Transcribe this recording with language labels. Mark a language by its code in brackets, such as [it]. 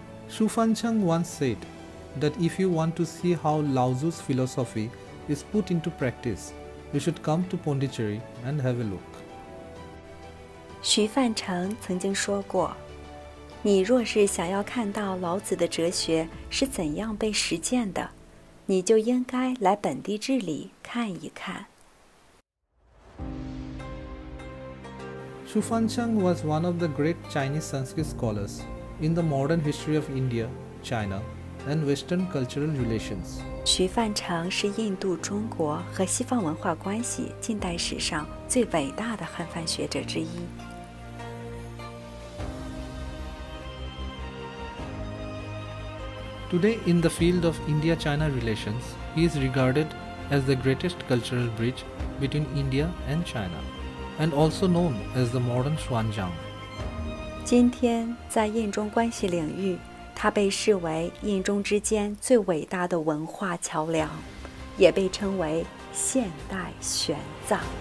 [en] XuFancheng once said that if you want to see how Lao Tzu's philosophy is put into practice, you should come to Pondicherry and have a look. [zh] 徐范成曾经说过，你若是想要看到老子的哲学是怎样被实践的，你就应该来本地治理看一看。 [en] XuFancheng was one of the great Chinese Sanskrit scholars. In the modern history of India, China, and Western cultural relations. [zh] 徐范成是印度、中国和西方文化关系近代史上最伟大的汉范学者之一。 [en] Today, in the field of India-China relations, he is regarded as the greatest cultural bridge between India and China, and also known as the modern Xuanzang. [zh] 今天在印中关系领域，它被视为印中之间最伟大的文化桥梁，也被称为现代玄奘。